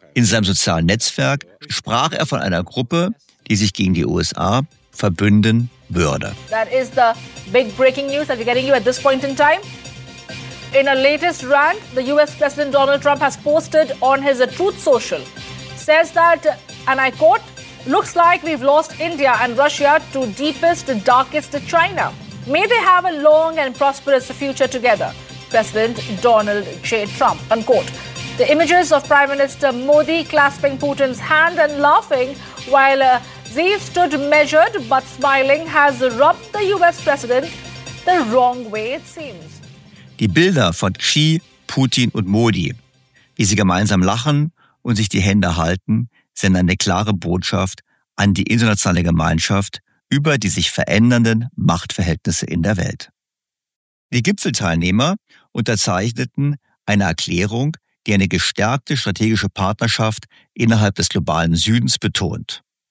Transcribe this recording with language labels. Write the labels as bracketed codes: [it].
[de] In seinem sozialen Netzwerk sprach er von einer Gruppe, die sich gegen die USA verbünden würde. [en] That is the big breaking news that we're getting you at this point in time. In a latest rant, the US President Donald Trump has posted on his Truth Social, says that, and I quote, looks like we've lost India and Russia to deepest, darkest China. May they have a long and prosperous future together, President Donald J. Trump, unquote. The images of Prime Minister Modi clasping Putin's hand and laughing while Xi stood measured but smiling has rubbed the US president the wrong way, it seems. [de] Die Bilder von Xi, Putin und Modi, wie sie gemeinsam lachen und sich die Hände halten, sind eine klare Botschaft an die internationale Gemeinschaft über die sich verändernden Machtverhältnisse in der Welt. Die Gipfelteilnehmer unterzeichneten eine Erklärung, die eine gestärkte strategische Partnerschaft innerhalb des globalen Südens betont.